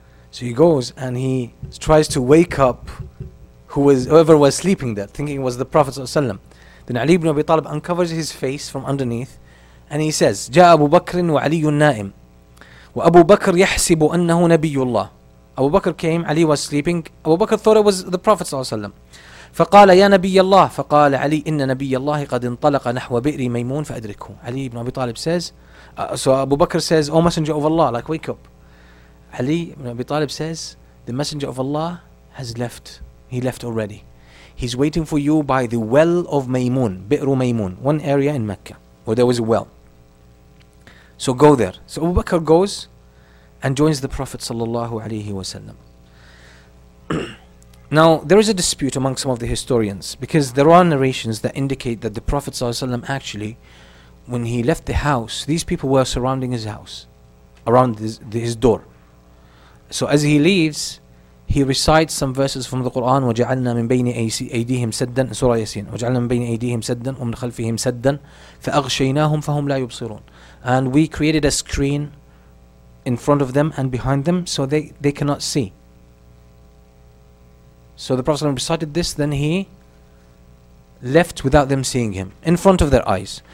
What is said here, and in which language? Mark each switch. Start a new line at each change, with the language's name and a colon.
English: So he goes and he tries to wake up whoever was sleeping there, thinking it was the Prophet ﷺ. Then Ali ibn Abi Talib uncovers his face from underneath, and he says,
Arabic: جاء أبو بكر وعلي نائم وأبو بكر يحسب أنه نبي الله.
English: Abu Bakr came, Ali was sleeping. Abu Bakr thought it was the Prophet ﷺ.
Arabic: فقال يا نبي الله فقال علي إن نبي الله قد انطلق نحو بئر ميمون فأدركه.
English: Ali ibn Abi Talib says, so Abu Bakr says, oh Messenger of Allah, like wake up. Ali ibn Abi Talib says, the Messenger of Allah has left. He left already. He's waiting for you by the well of Maymun, Bi'ru Maymun, one area in Mecca where there was a well. So go there. So Abu Bakr goes and joins the Prophet sallallahu alaihi wasallam. Now there is a dispute among some of the historians, because there are narrations that indicate that the Prophet sallallahu alaihi wasallam, actually, when he left the house, these people were surrounding his house, around his door. So as he leaves, he recites some verses from the Quran.
Arabic: وَجَعَلْنَا مِنْ بَيْنِ أَيْدِيهِمْ سَدًّا, Surah Yasin. وَجَعَلْنَا مِنْ بَيْنِ أَيْدِيهِمْ سَدًّا وَمِنْ خَلْفِهِمْ سَدًّا فَأَغْشَيْنَاهُمْ فَهُمْ لَا يُبْصِرُونَ.
English: And we created a screen in front of them and behind them, so they cannot see. So the Prophet ﷺ recited this, then he left without them seeing him, in front of their eyes.